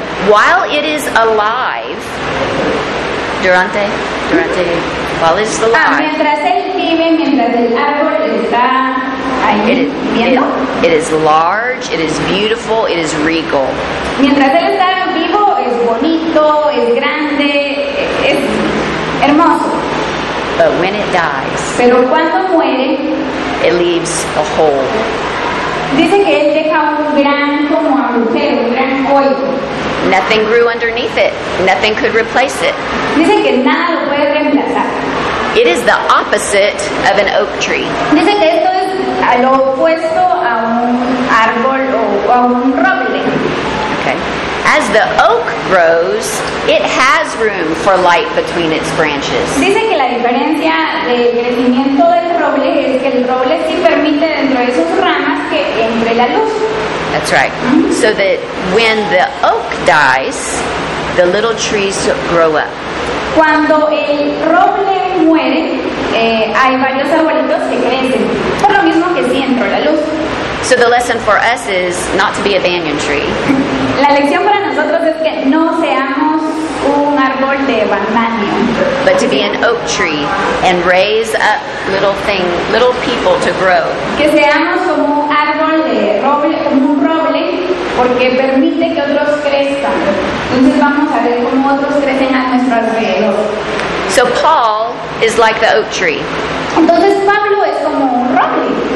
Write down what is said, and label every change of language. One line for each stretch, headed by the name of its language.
English: While it is alive, durante, while it's alive.
Spanish: Ah, mientras él vive, mientras el árbol está ahí, viendo.
English: It is large, it is beautiful, it is regal.
Spanish: Mientras él está vivo, es bonito, es grande, es hermoso.
English: But when it dies,
Spanish: pero cuando muere,
English: it leaves a hole.
Spanish: Dice que él deja un gran como agujero, un gran hoyo.
English: Nothing grew underneath it. Nothing could replace it.
Spanish: Dice que nada lo puede reemplazar.
English: It is the opposite of an oak tree.
Spanish: Dice que esto es a lo opuesto a un árbol o a un roble.
English: Okay. As the oak grows, it has room for light between its branches.
Spanish: Dice que la diferencia del crecimiento del roble es que el roble sí permite dentro de sus ramas que entre la luz.
English: That's right. Mm-hmm. So that when the oak dies, the little trees grow up.
Spanish: Cuando el roble muere, hay varios arbolitos que crecen, por lo mismo que sí entró la luz.
English: So the lesson for us is not to be a banyan tree.
Spanish: La lección para nosotros es que no seamos un árbol de banano.
English: But to be an oak tree and raise up little people to grow.
Spanish: Que seamos como un árbol de roble, como un roble, porque permite que otros crezcan. Entonces vamos a ver cómo otros crecen a nuestro alrededor.
English: So Paul is like the oak tree.
Spanish: Entonces Pablo es como un roble.